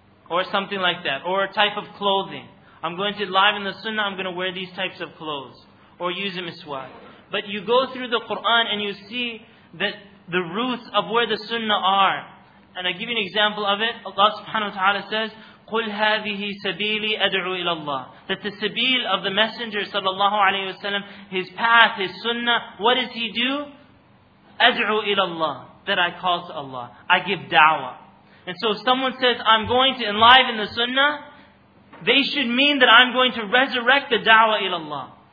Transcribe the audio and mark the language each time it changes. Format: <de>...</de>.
<en>Or something like that. Or a type of clothing. I'm going to enliven the sunnah, I'm going to wear these types of clothes. Or use a miswak. But you go through the Quran and you see that the roots of where the sunnah are. And I give you an example of it. Allah subhanahu wa ta'ala says,</en> <ar>قُلْ هَذِهِ سَبِيلِي أَدْعُوا إِلَى اللَّهِ.</ar> <en>That the sabil of the Messenger sallallahu alayhi wa sallam, his path, his sunnah, what does he do?</en> <ar>أَدْعُوا إِلَى اللَّهِ.</ar> <en>That I call to Allah. I give da'wah. And so if someone says, I'm going to enliven the sunnah, they should mean that I'm going to resurrect the da'wah ila Allah.</en>